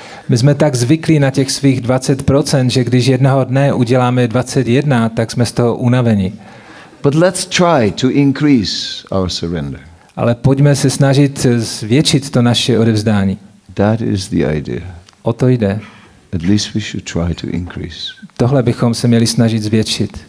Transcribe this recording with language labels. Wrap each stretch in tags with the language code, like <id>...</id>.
<cs>My jsme tak zvyklí na těch svých 20%, že když jednoho dne uděláme 21, tak jsme z toho unaveni.</cs> <en>But let's try to increase our surrender.</en> <cs>Ale pojďme se snažit zvětšit to naše odevzdání.</cs> <en>That is the idea.</en> <cs>O to jde.</cs> <en>At least we should try to increase.</en> <cs>Tohle bychom se měli snažit zvětšit.</cs>